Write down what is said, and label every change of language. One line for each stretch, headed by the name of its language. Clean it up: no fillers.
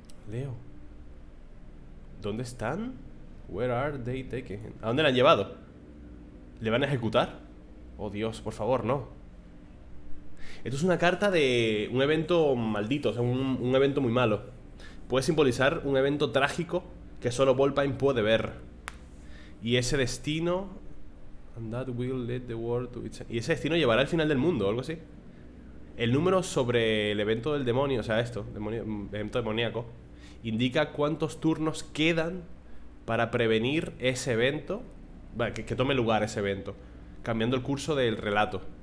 Spanish: Leo. ¿Dónde están?
English: Where are they taking him?
Spanish: ¿A dónde le han llevado? ¿Le van a ejecutar? Oh, Dios, por favor, no. Esto es una carta de un evento maldito, o sea, un evento muy malo. Puede simbolizar un evento trágico que solo Volpine puede ver. Y ese destino...
English: And that will lead the world to its end.
Spanish: Y ese destino llevará al final del mundo, o algo así. El número sobre el evento del demonio, o sea, esto, evento demoníaco, indica cuántos turnos quedan para prevenir ese evento, que tome lugar ese evento, cambiando el curso del relato.